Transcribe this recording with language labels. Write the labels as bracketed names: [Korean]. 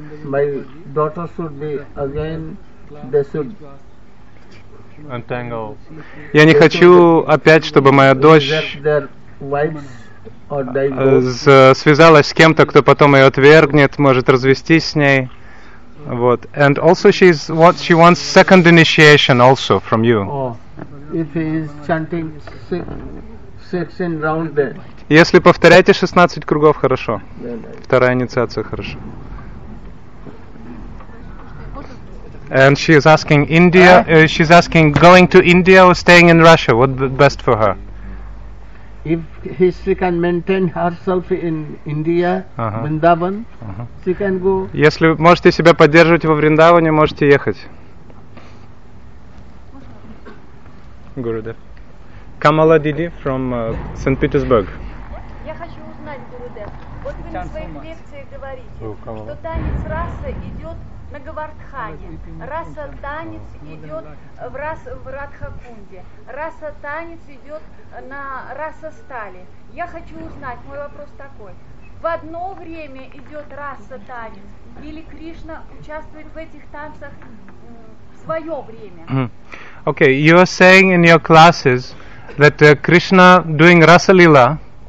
[English] My daughter should be again. They should untangle. [Russian] Я не хочу опять, чтобы моя дочь связалась с кем-то, кто потом ее отвергнет, может развестись с ней. Вот. [English] And also she wants second initiation also from you. Oh, if he is chanting 16 round then. [Russian] Если повторяете 16 кругов, хорошо. Вторая инициация, хорошо. [English] And she is asking India, she's asking going to India or staying in Russia, what best for her? If she can maintain herself in India, Vrindavan, she can go. [Russian] Если можете себя поддерживать во Вриндаване, можете ехать. Гурудев. Камала Диди [English] from St. Petersburg. [Russian] В своих лекциях говорите, что танец раса идет на Гавардхане, раса танец идет в Радхакунде, раса танец идет на раса стали. Я хочу узнать, мой вопрос такой: в одно время идет раса танец или Кришна участвует в этих танцах в свое время? [English] Okay, you are saying in your classes that Krishna doing rasa lila.